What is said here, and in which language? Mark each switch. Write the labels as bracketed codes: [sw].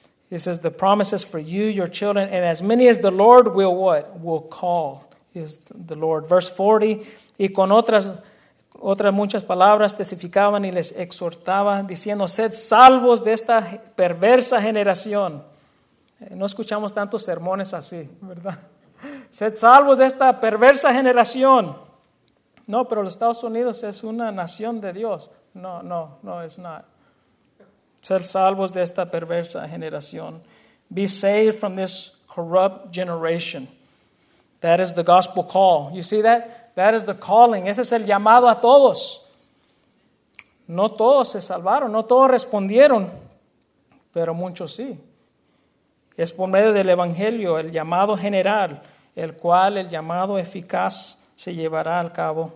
[en] He says, the promise is for you, your children, and as many as the Lord will what? Will call, is the Lord. Verse 40, [es] y con otras muchas palabras testificaban y les exhortaban, diciendo, sed salvos de esta perversa generación. No escuchamos tantos sermones así, ¿verdad? Sed salvos de esta perversa generación. No, pero los Estados Unidos es una nación de Dios. [en] No, it's not. [es] ser salvos de esta perversa generación. [en] Be saved from this corrupt generation. That is the gospel call. You see that? That is the calling. [es] Ese es el llamado a todos. No todos se salvaron, no todos respondieron, pero muchos sí. Es por medio del evangelio, el llamado general, el cual el llamado eficaz se llevará al cabo.